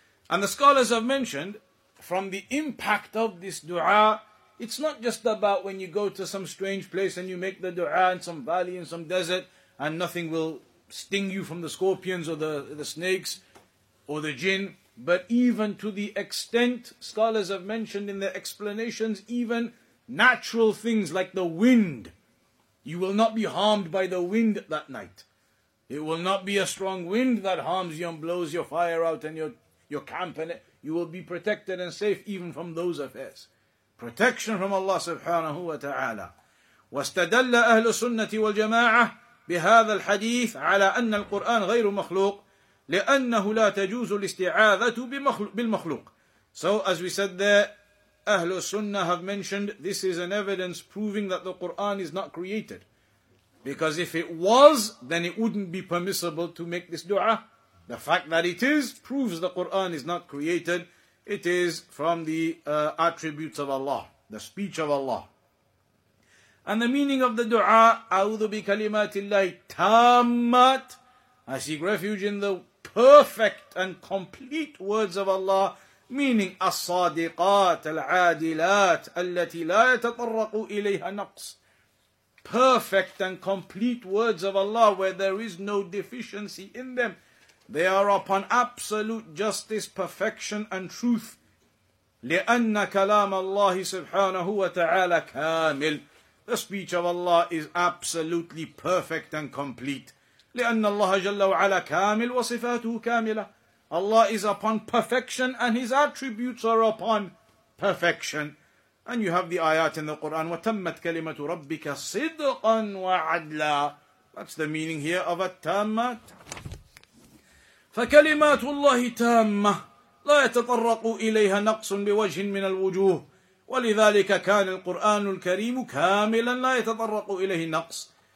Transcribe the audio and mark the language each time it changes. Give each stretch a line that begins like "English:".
English: And the scholars have mentioned, from the impact of this dua, it's not just about when you go to some strange place and you make the dua in some valley, in some desert, and nothing will sting you from the scorpions or the snakes or the jinn, but even to the extent, scholars have mentioned in their explanations, even natural things like the wind. You will not be harmed by the wind that night. It will not be a strong wind that harms you and blows your fire out and your camp. And you will be protected and safe even from those affairs. Protection from Allah subhanahu wa ta'ala.
Arabic: واستدل أهل السنة والجماعة بهذا الحديث على أن القرآن غير مخلوق لأنه لا تجوز الاستعاذة بالمخلوق.
English: So as we said there, Ahlul Sunnah have mentioned this is an evidence proving that the Quran is not created. Because if it was, then it wouldn't be permissible to make this dua. The fact that it is proves the Quran is not created. It is from the attributes of Allah, the speech of Allah. And the meaning of the dua,
Arabic: أعوذ بكلمات الله تامات,
English: I seek refuge in the perfect and complete words of Allah, meaning
Arabic: الصادقات العادلات التي لا يتطرق إليها نقص.
English: Perfect and complete words of Allah where there is no deficiency in them. They are upon absolute justice, perfection and truth.
Arabic: لأن كلام الله سبحانه وتعالى كامل.
English: The speech of Allah is absolutely perfect and complete.
Arabic: لأن الله جل وعلا كامل وصفاته كاملة.
English: Allah is upon perfection and His attributes are upon perfection. And you have the ayat in the Quran,
Arabic: وَتَمَّتْ كَلِمَةُ رَبِّكَ صِدْقًا وَعَدْلًا.
English: That's the meaning here of
Arabic: التامات. فَكَلِمَاتُ اللَّهِ تَامَّةٌ لَا يَتَطَرَّقُ إِلَيْهَا نَقْصٌ بِوَجْهٍ مِنَ الْوُجُوهِ وَلِذَلِكَ كَانَ الْقُرْآنُ الْكَرِيمُ كَامِلًا لَا يَتَطَرَّقُ إِلَيْهِ نَقْصٌ.